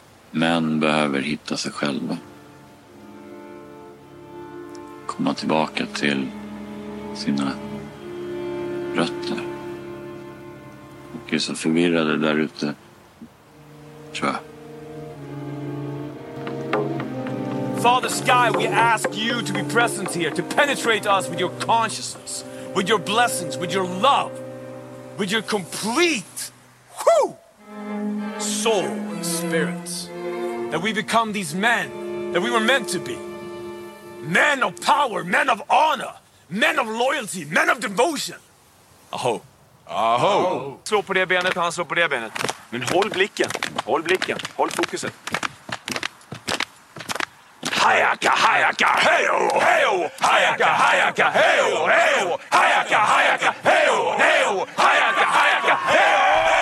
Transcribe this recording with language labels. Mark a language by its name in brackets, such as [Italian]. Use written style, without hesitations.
[Swedish] Män behöver hitta sig själva. Komma tillbaka till sina rötter. Och är så förvirrade där ute. [English] Father Sky, we ask you to be present here, to penetrate us with your consciousness, with your blessings, with your love, with your complete soul and spirit, that we become these men that we were meant to be, men of power, men of honor, men of loyalty, men of devotion. Aho. Aho. [Swedish] Slå på det benet, han slår på det benet. Men håll blicken, håll blicken, håll fokuset. Hayaka, hayaka, heyo, heyo. Hayaka, hayaka, heyo, heyo. Hayaka, hayaka, heyo, heyo. Hayaka, hayaka, heyo.